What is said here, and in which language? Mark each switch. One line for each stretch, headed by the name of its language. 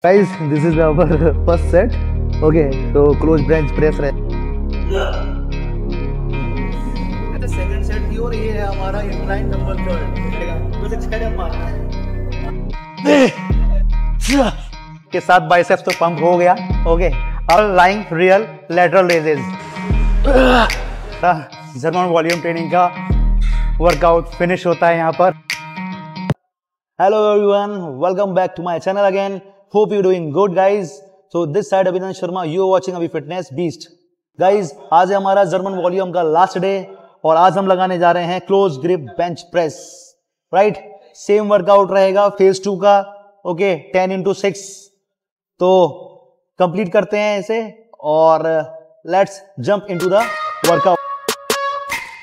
English: Guys, this is our first set. Okay, so close bench press. The second set pure
Hindi: ये है हमारा incline number
English: 12.
Hindi: कुछ छेड़ मार के साथ biceps तो pump हो गया.
English: Okay, all lying real lateral raises.
Hindi: German volume training का workout finish होता है यहाँ पर.
English: Hello everyone, welcome back to my channel again. Hope you're doing good, guys. So this side, Abhinand Sharma, you are watching Abhifitnessbeast.
Hindi: Guys, आज हमारा German volume का last day और आज हम लगाने जा रहे हैं close grip bench press.
English: Right?
Hindi: Same workout रहेगा phase 2 का.
English: Okay, 10x6.
Hindi: तो complete करते हैं इसे और
English: let's jump into the workout.